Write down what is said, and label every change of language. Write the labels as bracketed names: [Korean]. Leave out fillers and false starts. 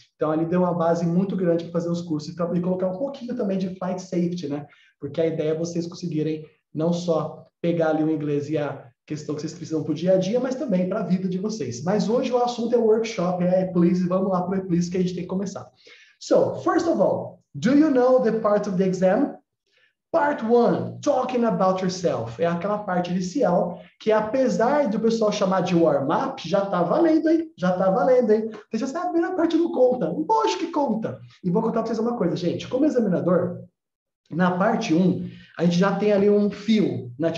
[Portuguese] Então, ali deu uma base muito grande para fazer os cursos e colocar um pouquinho também de Flight Safety, né? Porque a ideia é vocês conseguirem não só pegar ali o inglês e a questão que vocês precisam para o dia a dia, mas também para a vida de vocês. Mas hoje o assunto é o workshop, é please, vamos lá para o please que a gente tem que começar. [English] So, first of all, do you know the part of the exam? Part one, talking about yourself. [Portuguese] É aquela parte inicial que, apesar do pessoal chamar de warm-up, já está valendo, hein? Já está valendo, hein? Então, essa é a primeira parte do conta. Lógico que conta. E vou contar para vocês uma coisa, gente. Como examinador, na parte 1, a gente já tem ali um fio, né?